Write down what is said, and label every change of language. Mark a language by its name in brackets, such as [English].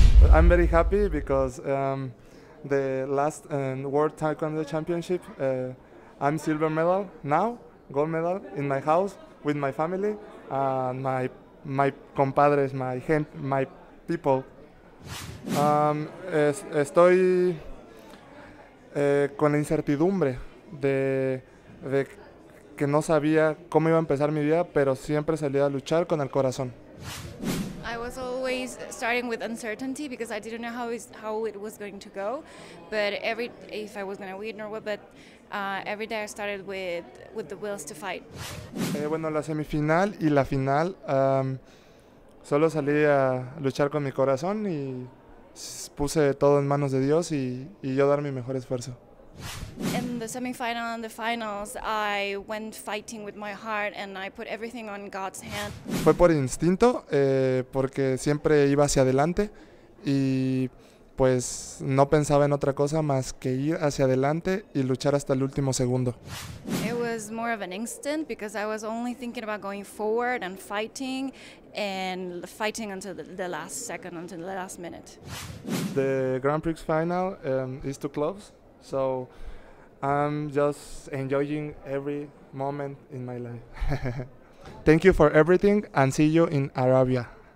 [English] I'm very happy because the last World Taekwondo Championship, I'm silver medal now, gold medal in my house with my family and my compadres, my people. [Spanish] Estoy con la incertidumbre de que no sabía cómo iba a empezar mi vida, pero siempre salí a luchar con el corazón. [English] I was always starting with uncertainty because I didn't know how it was going to go, but if I was going to win or what, but every day I started with the wills to fight. [Spanish] Bueno, la semifinal y la final, solo salí a luchar con mi corazón y puse todo en manos de Dios y yo dar mi mejor esfuerzo. [English] In the semifinal and the finals, I went fighting with my heart and I put everything on God's hand. [Spanish] Fue por instinto, porque siempre iba hacia adelante y pues no pensaba en otra cosa más que ir hacia adelante y luchar hasta el último segundo. [English] It was more of an instinct because I was only thinking about going forward and fighting until the last second, until the last minute. The Grand Prix final is too close. So I'm just enjoying every moment in my life. Thank you for everything and see you in Arabia.